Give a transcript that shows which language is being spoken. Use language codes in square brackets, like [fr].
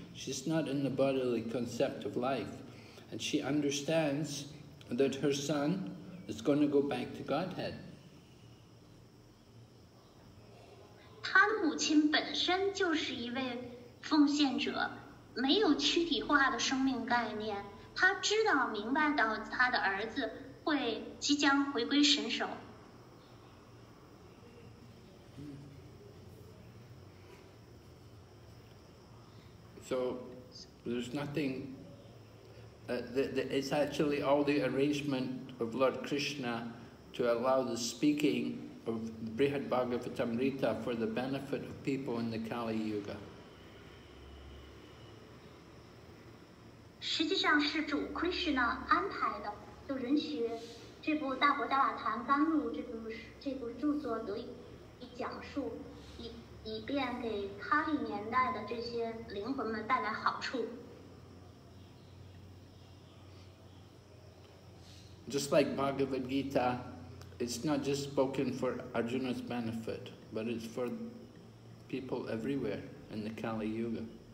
[en] She's not in the bodily concept of life. And she understands that her son is going to go back to Godhead. [zh] 他的母亲本身就是一位奉献者，没有躯体化的生命概念，他知道明白到他的儿子会即将回归神手。 [en] So there's nothing. It's actually all the arrangement of Lord Krishna to allow the speaking of Brihad Bhagavatamrita for the benefit of people in the Kali Yuga. [zh] 实际上是主 Krishna 安排的，就允许这部《大伯加瓦谈纲录》这部著作得以讲述，以便给卡利年代的这些灵魂们带来好处。 [en] Just like Bhagavad Gita, it's not just spoken for Arjuna's benefit, but it's for people everywhere in the Kali Yuga.